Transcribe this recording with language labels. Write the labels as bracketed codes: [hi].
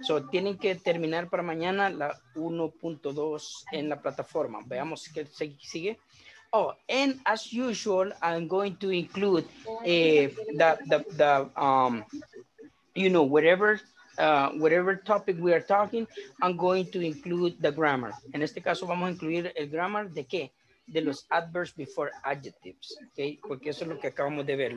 [es] So tienen que terminar para mañana la 1.2 en la plataforma. Veamos qué sigue. [en] Oh, and as usual, I'm going to include whatever topic we are talking, I'm going to include the grammar. [es] En este caso vamos a incluir el grammar de qué? De los [en] adverbs before adjectives, [es] okay? Porque eso es lo que acabamos de ver.